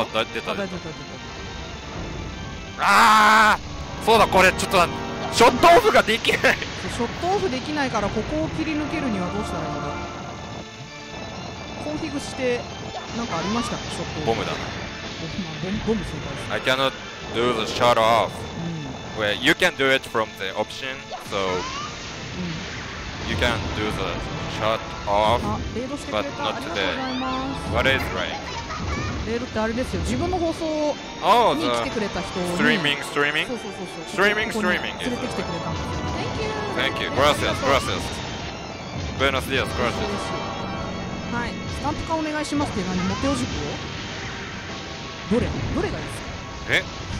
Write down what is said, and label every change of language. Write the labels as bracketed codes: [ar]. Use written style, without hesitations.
[ja] あ、だ、出た、出た、出た、出た。あー、そうだ、これちょっとショットオフができない。ショットオフできないから、ここを切り抜けるにはどうしたらいいのか。コンフィグしてなんかありましたか、ショットオフ。ボムだ、ボム正解です。 [en] I cannot do the shut off、うん、Wait, you can do it from the option, soYou can do the shut off, but not today. What is rank? [ja] レードってあれですよ。自分の放送を見に来てくれた人を、ね。 [en] Streaming, streaming. Streaming, streaming. [ja] 連れてきてくれたんですよ。 [en] Thank you. Thank you. [es] Gracias, gracias. Buenos días, gracias. [ja] はい。スタンプ化お願いしますって何？モテオ塾を？どれ？どれがいいですか？